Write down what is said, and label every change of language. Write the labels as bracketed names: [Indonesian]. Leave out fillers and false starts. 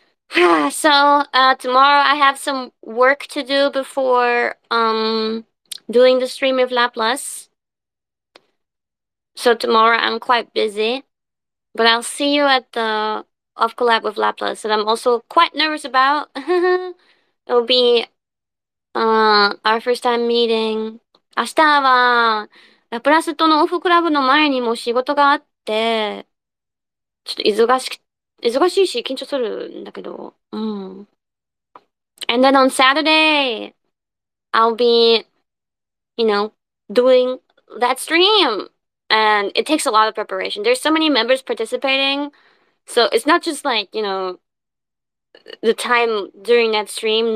[English] Tomorrow I have some work to do before doing the stream of Laplace. So tomorrow I'm quite busy. But I'll see you at the off collab with Laplace that I'm also quite nervous about. It'll be our first time meeting. [Japanese] 明日はラプラスとのオフクラブの前にも仕事があって、ちょっと忙しいし緊張するんだけど。 [English] And then on Saturday, I'll be, doing that stream. And it takes a lot of preparation. There's so many members participating. So it's not just the time during that stream.